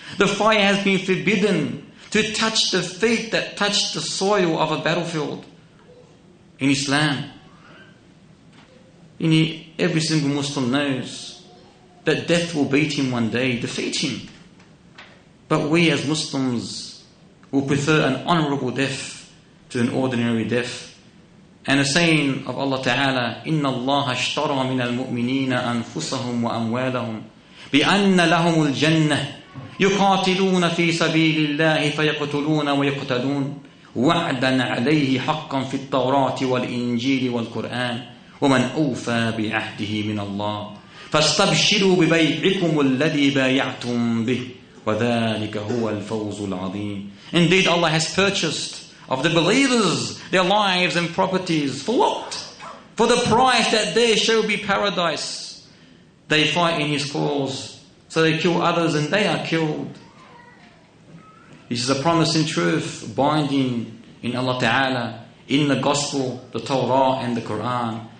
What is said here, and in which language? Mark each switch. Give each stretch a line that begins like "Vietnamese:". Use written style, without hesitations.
English: The fire has been forbidden to touch the feet that touch the soil of a battlefield in Islam. Every single Muslim knows that death will beat him one day, defeat him. But we as Muslims will prefer an honorable death to an ordinary death. And a saying of
Arabic: Allah Ta'ala, إِنَّ اللَّهَ اشْتَرَى مِنَ الْمُؤْمِنِينَ أَنفُسَهُمْ وَأَمْوَالَهُمْ بِأَنَّ لَهُمُ الْجَنَّةِ يُقَاتِلُونَ فِي سَبِيلِ اللَّهِ فَيَقْتُلُونَ وَيُقْتَلُونَ وَعْدًا عَلَيْهِ حَقًّا فِي التَّوْرَاةِ وَالْإِنْجِيلِ وَالْقُرْآنِ وَمَنْ أَوْفَى بِعَهْدِهِ مِنَ اللَّهِ فَاسْتَبْشِرُوا بِبَيْعِكُمُ الَّذِي بَايَعْتُمْ بِهِ وَذَٰلِكَ هُوَ الْفَوْزُ الْعَظِيمُ.
English: Indeed, Allah has purchased of the believers their lives and properties. For what? For the price that there shall be paradise. They fight in His cause, so they kill others and they are killed. This is a promise in truth, binding in Allah Ta'ala, in the Gospel, the Torah and the Quran.